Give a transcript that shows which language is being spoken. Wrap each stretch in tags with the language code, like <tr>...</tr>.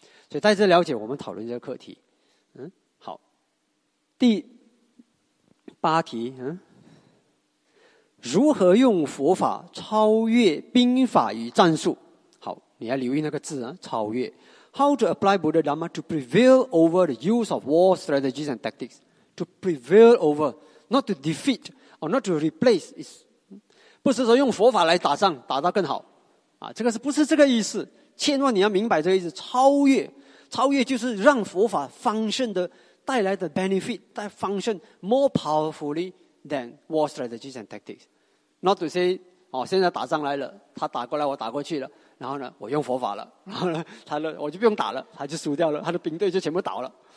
<zh>所以带着了解我们讨论这个课题。好，第八题，如何用佛法超越兵法与战术？好，你要留意那个字啊，超越。</zh> <en>How to apply Buddha Dhamma to prevail over the use of war strategies and tactics? To prevail over, not to defeat or not to replace.</en> <zh>不是说用佛法来打仗，打到更好啊，这个是不是这个意思？千万你要明白这个意思。超越，超越就是让佛法function的带来的 benefit， 带</zh> <en>function more powerfully。 Than war strategies and tactics. Not to say,</en> <zh>哦，现在打仗来了，他打过来我打过去了，然后呢我用佛法了，然后呢他的我就不用打了，他就输掉了，他的兵队就全部倒了。</zh>